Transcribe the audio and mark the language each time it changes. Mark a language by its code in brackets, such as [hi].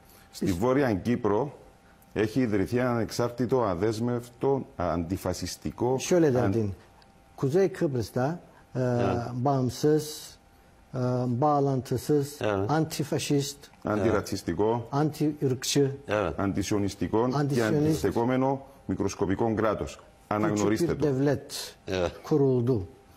[el] Στη Βόρεια Κύπρο έχει ιδρυθεί ένα ανεξάρτητο, αδέσμευτο, αντιφασιστικό... Σιόλετε αντίν. [tr] Kuzey Kıbrıs'ta bağımsız, bağlantısız, antifaşist, [el] antiratsistiko, [tr] antiırkçı, [el] antisyonistiko και αντιστεκόμενο μικροσκοπικό κράτος. Αναγνωρίστε το. [tr] Küçük bir devlet kuruldu.